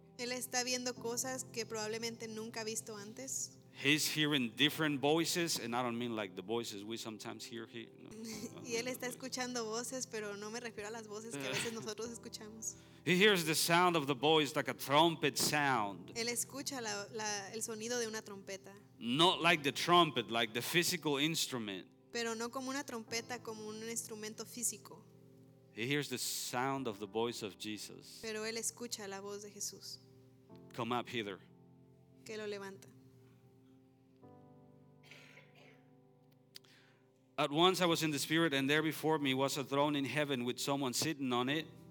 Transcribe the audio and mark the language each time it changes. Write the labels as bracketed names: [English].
[Spanish] Él está viendo cosas que probablemente nunca ha visto antes. [English] He's hearing different voices, and I don't mean like the voices we sometimes hear here. [Spanish] No, y él está escuchando voces, pero no me refiero a las voces que a veces nosotros escuchamos. [English] He hears the sound of the voice like a trumpet sound. [Spanish] Él escucha el sonido de una trompeta. [English] Not like the trumpet, like the physical instrument. [Spanish] Pero no como una trompeta, como un instrumento físico. [English] He hears the sound of the voice of Jesus. [Spanish] Pero él escucha la voz de Jesús. [English] Come up hither. [Spanish] Que lo levanta. [English] At once I was in the spirit, and there before me was a throne in heaven with someone sitting on it.